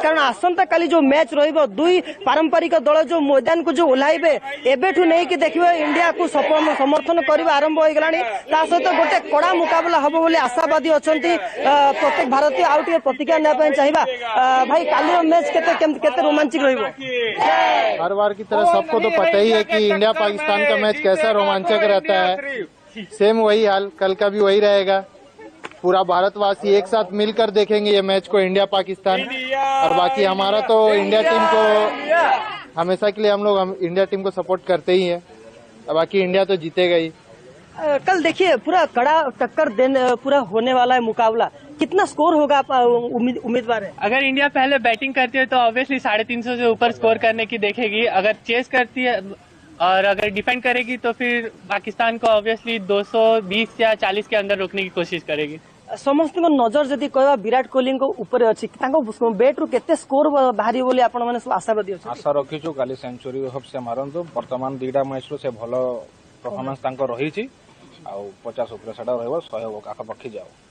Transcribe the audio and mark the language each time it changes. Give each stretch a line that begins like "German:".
Odia: କାରଣ ଆସନ୍ତାକାଲି ଯେଉଁ ମ୍ୟାଚ୍ ରହିବ, ଦୁଇ ପାରମ୍ପରିକ ଦଳ ଯେଉଁ ମୈଦାନକୁ ଯେଉଁ ଓହ୍ଲାଇବେ, ଏବେଠୁ ନେଇକି ଦେଖିବେ ଇଣ୍ଡିଆକୁ ସମର୍ଥନ କରିବା ଆରମ୍ଭ ହୋଇଗଲାଣି। ତା ସହିତ ଗୋଟେ କଡ଼ା ମୁକାବିଲା ହେବ ବୋଲି ଆଶାବାଦୀ ଅଛନ୍ତି ପ୍ରତ୍ୟେକ ଭାରତୀୟ। ଆଉ ଟିକେ ପ୍ରତିକ୍ରିୟା ନେବା ପାଇଁ ଚାହିଁବା ଭାଇ, କାଲିର ମ୍ୟାଚ୍ କେତେ ରୋମାଞ୍ଚିକ ରହିବ?
Hindi: हर बार की तरह सबको तो पता ही है कि इंडिया पाकिस्तान का मैच कैसा रोमांचक रहता है। सेम वही हाल कल का भी वही रहेगा। पूरा भारतवासी एक साथ मिलकर देखेंगे ये मैच को, इंडिया पाकिस्तान। और बाकी हमारा तो इंडिया टीम को हमेशा के लिए, हम लोग इंडिया टीम को सपोर्ट करते ही है। बाकी इंडिया तो जीतेगा ही। कल देखिए पूरा कड़ा टक्कर पूरा होने वाला है मुकाबला, कितना स्कोर होगा उम्मीदवार है? अगर इंडिया पहले बैटिंग करती है तो ऑब्वियसली 350 से ऊपर स्कोर करने की देखेगी। अगर चेस करती है और अगर डिफेंड करेगी तो फिर पाकिस्तान को ऑब्वियसली 220 या 40 के अंदर रोकने की कोशिश करेगी।
Odia: ସମସ୍ତଙ୍କ ନଜର ଯଦି କହିବା ବିରାଟ କୋହଲିଙ୍କ ଉପରେ ଅଛି, ତାଙ୍କ ବ୍ୟାଟ୍ରୁ କେତେ ସ୍କୋର ବାହାରିବ ବୋଲି ଆପଣମାନେ ସବୁ ଆଶାବାଦୀ ଅଛନ୍ତି? ଆଶା ରଖିଛୁ କାଲି ସେଞ୍ଚୁରି ହବ ସେ ମାରନ୍ତୁ। ବର୍ତ୍ତମାନ ଦୁଇଟା ମ୍ୟାଚ୍ରୁ ସେ ଭଲ ପରଫର୍ମାନ୍ସ ତାଙ୍କ ରହିଛି, ଆଉ 50 ଉପରେ ସେଟା ରହିବ, 100 ପାଖାପାଖି ଯାଉ।